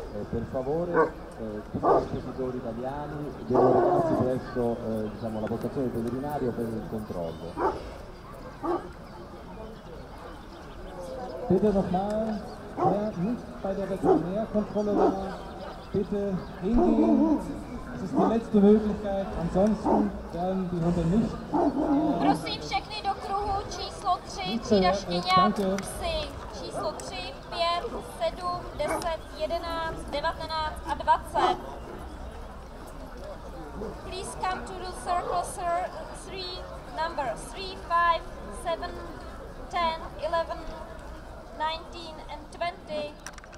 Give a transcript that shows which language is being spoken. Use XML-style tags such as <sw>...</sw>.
<it>Per favore, tutti i servitori italiani devono recarsi presso la postazione del veterinario per il controllo.</it> <de>Bitte nochmal, wer nicht bei der Veterinärkontrolle war, bitte hingehen. Das ist die letzte Möglichkeit, ansonsten werden die Hunde nicht.</de> <cs>Prosím všechny do kruhu číslo 3, třída štěňat, psi, číslo 3, 5, 7, 10, 11, 19 a 20.</cs> <en>Please come to the circle, sir, 3, number 3, 5, 7, 10, 11, 19 and 20.</en>